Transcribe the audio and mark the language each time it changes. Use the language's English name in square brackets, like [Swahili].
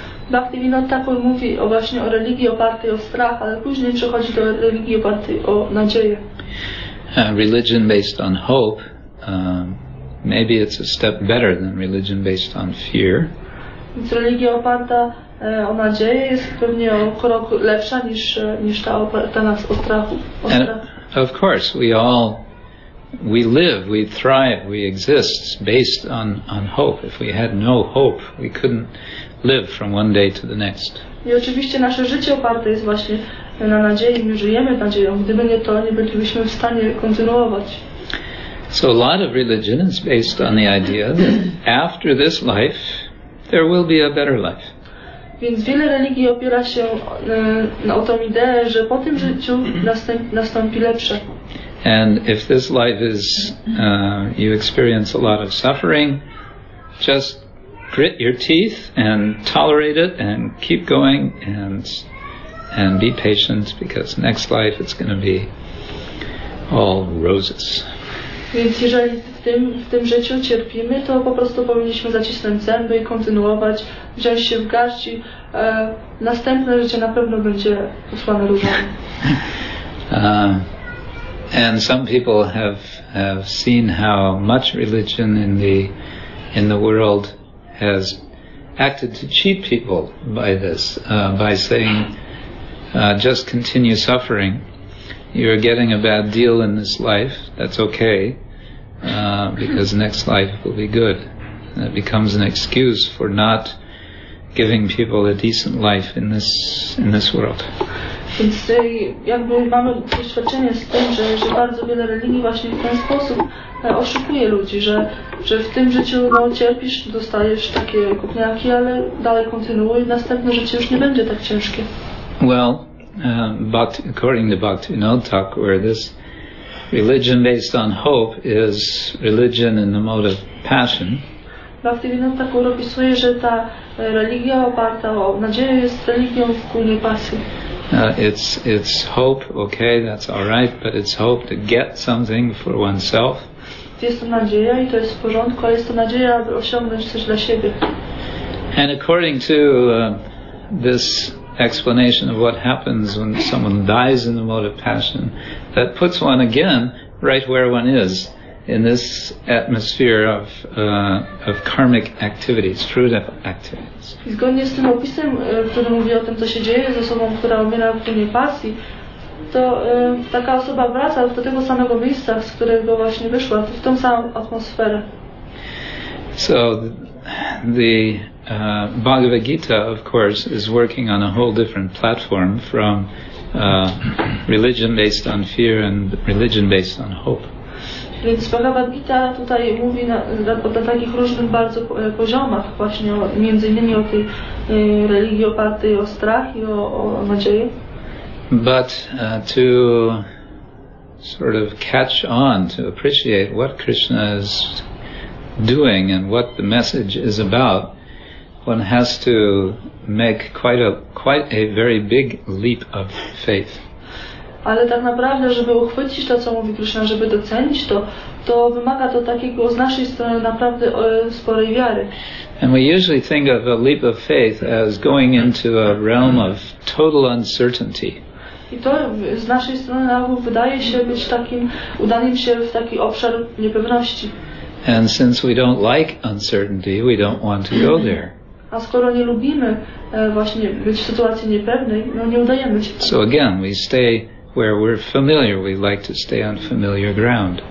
[Polish] Bhaktivinoda Thakur mówi o właśnie o religii opartej o strach, ale później przechodzi do religii opartej o nadzieję. [English] Religion based on hope, maybe it's a step better than religion based on fear. [Polish] Więc religia oparta o nadzieję jest pewnie o krok lepsza niż ta oparta nas o strachu. [English] And of course, we live, we thrive, we exist based on hope. If we had no hope, we couldn't live from one day to the next. [Polish] I oczywiście nasze życie oparte jest właśnie na nadziei. My żyjemy nadzieją. Gdyby nie to, nie bylibyśmy w stanie kontynuować. [English] So a lot of religion is based on the idea that after this life, there will be a better life. [Polish] Więc wiele religii opiera się o tą ideę, że po tym życiu nastąpi lepsze. [English] And if this life is, you experience a lot of suffering, just grit your teeth and tolerate it and keep going and be patient, because next life it's going to be all roses. [Polish] Więc jeżeli w tym życiu cierpimy, to po prostu powinniśmy zacisnąć zęby i kontynuować, wziąć się w garść i następne życie na pewno będzie usłane różami. [English] And some people have seen how much religion in the world has acted to cheat people by this, by saying, just continue suffering. You're getting a bad deal in this life, that's okay, because next life will be good. And it becomes an excuse for not giving people a decent life in this world. [Polish] Więc jakby mamy doświadczenie z tym, że bardzo wiele religii właśnie w ten sposób oszukuje ludzi, że w tym życiu no, cierpisz, dostajesz takie kopniaki, ale dalej kontynuuj, następne życie już nie będzie tak ciężkie. [English] Well, but according to Bhaktivinoda Thakur, this religion based on hope is religion in the mode of passion. [Polish] Bhaktivinoda Thakur opisuje, że ta religia oparta o nadzieję jest religią w kulnie pasji. [English] It's hope, okay, that's all right, but it's hope to get something for oneself. [Polish] Jest to nadzieja i to jest w porządku, ale jest to nadzieja, aby osiągnąć coś dla siebie. [English] And according to this explanation of what happens when someone dies in the mode of passion, that puts one again right where one is in this atmosphere of karmic activities, fruitive activities. [Polish] Zgodnie z tym opisem, który mówi o tym, co się dzieje z osobą, która umiera w tłumie pasji, to taka osoba wraca do tego samego miejsca, z którego właśnie wyszła, w tą samą atmosferę. [English] So the Bhagavad Gita, of course, is working on a whole different platform from religion based on fear and religion based on hope. [Polish] Więc Bhagavad Gita tutaj mówi na takich różnych bardzo poziomach, właśnie między innymi o tej religii opartej o strach i o nadzieję. [English] But to sort of catch on, to appreciate what Krishna is doing and what the message is about, one has to make quite a very big leap of faith. [Polish] Ale tak naprawdę, żeby uchwycić to, co mówi Krishna, żeby docenić to, to wymaga to takiego z naszej strony naprawdę sporej wiary. [English] And we usually think of a leap of faith as going into a realm of total uncertainty. [Polish] I to z naszej strony na ogół wydaje się być takim udaniem się w taki obszar niepewności. [English] And since we don't like uncertainty, we don't want to go there. [Polish] A skoro nie lubimy właśnie być w sytuacji niepewnej, no nie udajemy się. [English] So again, we stay where we're familiar. We like to stay on familiar ground.